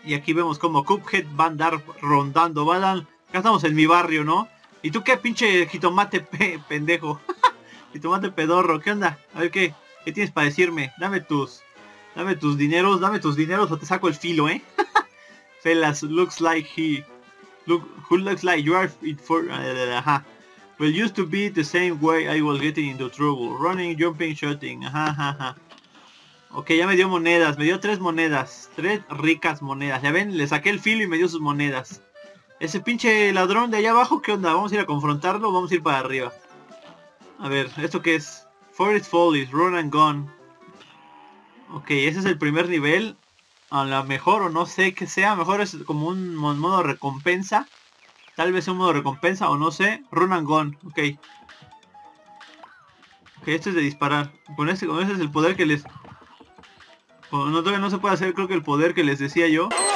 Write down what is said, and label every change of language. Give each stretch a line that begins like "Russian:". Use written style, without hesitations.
Spanish: Y aquí vemos como Cuphead va a andar rondando. Acá estamos en mi barrio, ¿no? ¿Y tú qué, pinche jitomate pendejo? Jitomate pedorro. ¿Qué onda? A ver qué. ¿Qué tienes para decirme? Dame tus dineros o te saco el filo, ¿eh?
English: Fellas, who looks like you are in for... Well, used to be the same way I was getting into trouble. Running, jumping, shooting.
Spanish: Ok, ya me dio monedas. Me dio tres monedas. Tres ricas monedas. Ya ven, le saqué el filo y me dio sus monedas. Ese pinche ladrón de allá abajo, ¿qué onda? ¿Vamos a ir a confrontarlo o vamos a ir para arriba? A ver, ¿esto qué es? Forest Follies, Run and Gun. Ok, ese es el primer nivel. A lo mejor, o no sé qué sea, mejor es como un modo recompensa. Tal vez un modo recompensa, o no sé. Run and Gun, ok. Ok, este es de disparar. Con ese es el poder que les... todavía no se puede hacer, creo que el poder que les decía yo.